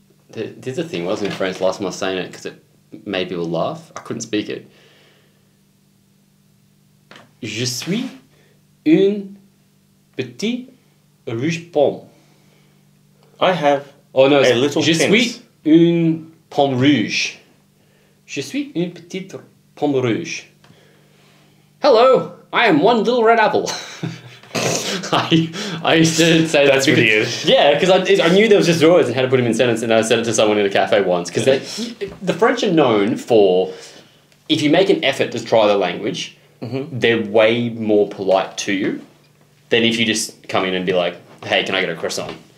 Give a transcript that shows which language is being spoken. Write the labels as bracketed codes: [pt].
[en] There's a thing, wasn't it, in France last time I was saying it because it made people laugh. I couldn't speak it. [fr] Je suis une petite rouge pomme. [en] I have A little pimp. [fr] Je suis une pomme rouge. Je suis une petite pomme rouge. [en] Hello, I am one little red apple. I used to say that's because, weird. Yeah, because I knew there was just drawers and how to put them in sentence, and I said it to someone in a cafe once. Because the French are known for, if you make an effort to try the language, they're way more polite to you than if you just come in and be like, hey, can I get a croissant?